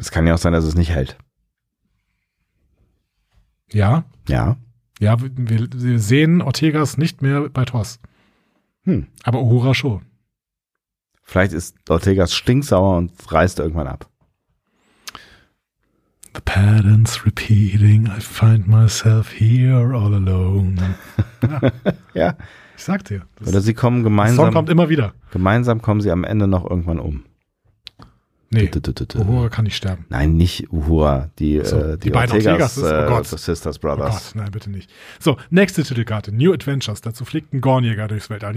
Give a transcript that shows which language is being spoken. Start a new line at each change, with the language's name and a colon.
German: Es kann ja auch sein, dass es nicht hält. Ja. Ja. Ja, wir sehen Ortegas nicht mehr bei TOS. Aber Uhura schon. Vielleicht ist Ortegas stinksauer und reißt irgendwann ab.
English: The pattern's repeating, I find myself here all alone.
German: Ja. Ich sag dir. Oder sie kommen gemeinsam. Song kommt immer wieder. Gemeinsam kommen sie am Ende noch irgendwann um. Nee, Uhura kann nicht sterben. Nein, nicht Uhura. Die beiden Ortegas, Sisters Brothers. Oh Gott, nein, bitte nicht. So, nächste Titelkarte, New Adventures. Dazu fliegt ein Gornjäger durchs Weltall.